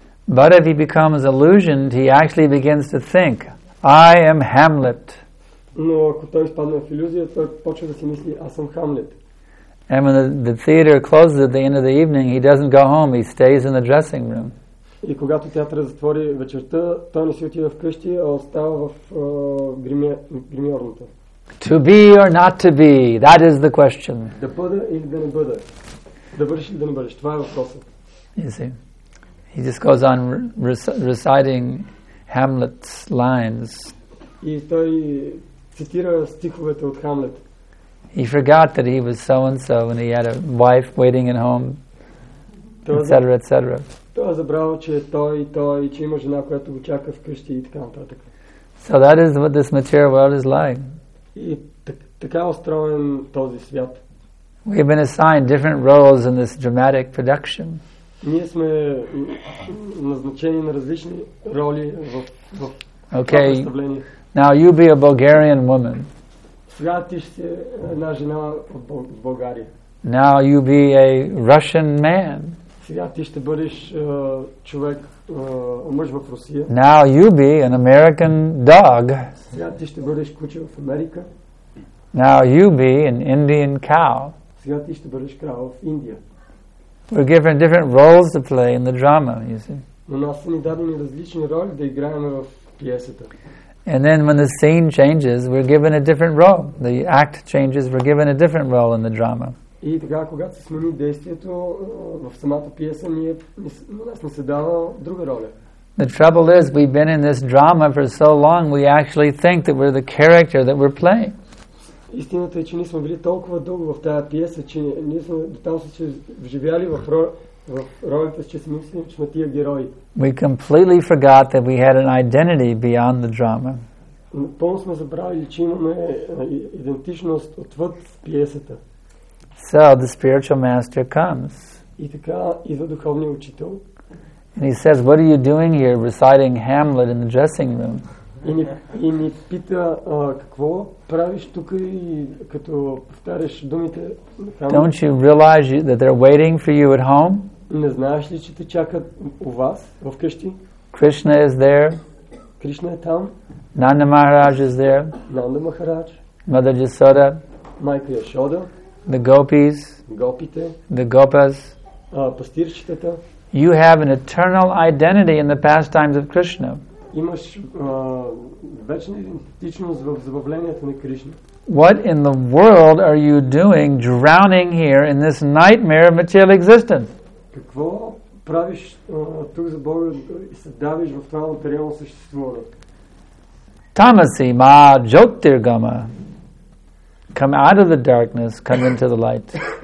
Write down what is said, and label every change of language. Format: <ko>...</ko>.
<en>But if he becomes illusioned, he actually begins to think, I am Hamlet.</en> <bg>Но ако той изпадне в иллюзия, той почва да си мисли, аз съм Хамлет.</bg> <en>And when the theater closes at the end of the evening, he doesn't go home, he stays in the dressing room.</en> <bg>И когато театъра затвори вечерта, той не си отива вкъщи, а остава в гримьорната.</bg> <en>To be or not to be, that is the question.</en> <bg>Да бъда или да не бъда. Да бъдеш или да не бъдеш, това е въпросът.</bg> <en>You see, he just goes on reciting Hamlet's lines.</en> <bg>И той цитира стиховете от Хамлет.</bg> <en>He forgot that he was so-and-so and he had a wife waiting at home, etc., etc.</en> <bg>Той забравя, че той, че има жена, която го чака вкъщи и така нататък.</bg> <en>So that is what this material world is like.</en> <bg>И така устроен този свят.</bg> <en>We've been assigned different roles in this dramatic production.</en> <bg>Ние сме назначени на различни роли в това представление.</bg> <en>Okay, now you be a Bulgarian woman.</en> <bg>Сега ти ще си една жена от България.</bg> <en>Now you be a Russian man.</en> <bg>Сега ти ще бъдеш човек, мъж в Русия.</bg> <en>Now you be an American dog.</en> <bg>Сега ти ще бъдеш куче в Америка.</bg> <en>Now you be an Indian cow.</en> <bg>Сега ти ще бъдеш крал в Индия.</bg> <en>We're given different roles to play in the drama, you see.</en> <bg>Но нас са ни дадени различни роли да играем в пиесата.</bg> <en>And then when the scene changes, we're given a different role. The act changes, we're given a different role in the drama.</en> <bg>И така, когато се смени действието в самата пиеса, нас не се дава друга роля.</bg> <en>The trouble is, we've been in this drama for so long, we actually think that we're the character that we're playing.</en> <bg>Истината е, че ние сме били толкова дълго в тази пиеса, че ние сме до там се вживяли в ролята, че си мислим, че сме тия герои.</bg> <en>We completely forgot that we had an identity beyond the drama.</en> <bg>Пълно сме забравили, че имаме идентичност отвъд пиесата.</bg> <en>So the spiritual master comes.</en> <bg>И така идва духовният учител.</bg> <en>And he says, what are you doing here reciting Hamlet in the dressing room?</en> <bg>И ни пита, какво правиш тук и като повтаряш думите на Хамлет?</bg> <en>Don't you realize that they're waiting for you at home?</en> <bg>Не знаеш ли, че те чакат у вас, вкъщи?</bg> <en>Krishna is there.</en> <bg>Krishna е там.</bg> <en>Nanda Maharaj is there.</en> <bg>Nanda Maharaj.</bg> <en>Mother Yashoda.</en> <bg>Майка Яшода.</bg> <en>The gopis.</en> <bg>Гопите.</bg> <en>The gopas.</en> <bg>Пастирчетата.</bg> <en>You have an eternal identity in the pastimes of Krishna.</en> <bg>Имаш вечна идентичност в забавленията на Кришна.</bg> <en>What in the world are you doing drowning here in this nightmare of material existence?</en> <bg>Какво правиш тук за Бога и се давиш в това материално съществуване?</bg> <sa>Tamasi ma jyotirgama.</sa> <en>Come out of the darkness, come into the light.</en>